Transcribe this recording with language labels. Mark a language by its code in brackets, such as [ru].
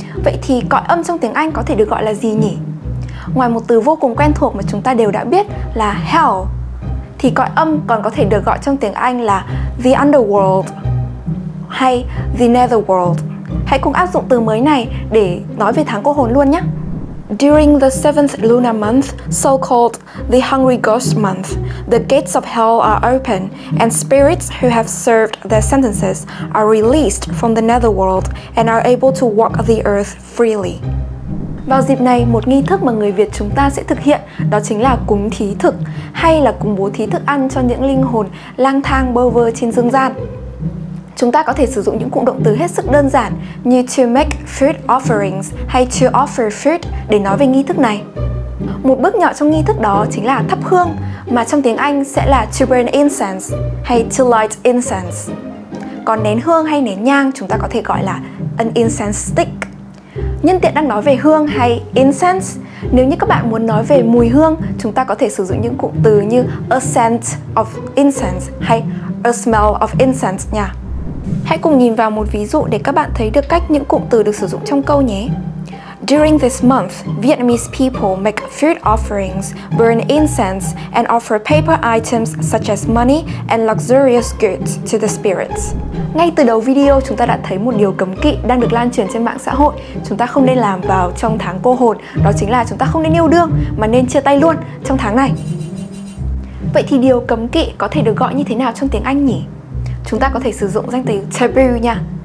[vi] Vậy thì cõi âm trong tiếng Anh có thể được gọi là gì nhỉ? Ngoài một từ vô cùng quen thuộc mà chúng ta đều đã biết là hell, thì cõi âm còn có thể được gọi trong tiếng Anh là [en] the underworld [vi] hay [en] the netherworld. [vi] Hãy cùng áp dụng từ mới này để nói về tháng cô hồn luôn nhé. [en] During the seventh lunar month, so-called the Hungry Ghost Month, the gates of hell are open and spirits who have served their sentences are released from the netherworld and are able to walk the earth freely. [vi] Vào dịp này, một nghi thức mà người Việt chúng ta sẽ thực hiện đó chính là cúng thí thực hay là cúng bố thí thức ăn cho những linh hồn lang thang bơ vơ trên dương gian. Chúng ta có thể sử dụng những cụm động từ hết sức đơn giản như [en] to make food offerings [vi] hay [en] to offer food [vi] để nói về nghi thức này. Một bước nhỏ trong nghi thức đó chính là thắp hương, mà trong tiếng Anh sẽ là [en] to burn incense [vi] hay [en] to light incense. [vi] Còn nén hương hay nén nhang chúng ta có thể gọi là [en] an incense stick. [vi] Nhân tiện đang nói về hương hay incense, nếu như các bạn muốn nói về mùi hương, chúng ta có thể sử dụng những cụm từ như [en] a scent of incense [vi] hay [en] a smell of incense [vi] nha. Hãy cùng nhìn vào một ví dụ để các bạn thấy được cách những cụm từ được sử dụng trong câu nhé. [en] During this month, Vietnamese people make food offerings, burn incense, and offer paper items such as money and luxurious goods to the spirits. [vi] Ngay từ đầu video, chúng ta đã thấy một điều cấm kỵ đang được lan truyền trên mạng xã hội. Chúng ta không nên làm vào trong tháng cô hồn, đó chính là chúng ta không nên yêu đương, mà nên chia tay luôn trong tháng này. Vậy thì điều cấm kỵ có thể được gọi như thế nào trong tiếng Anh nhỉ? Chúng ta có thể sử dụng danh từ taboo nha.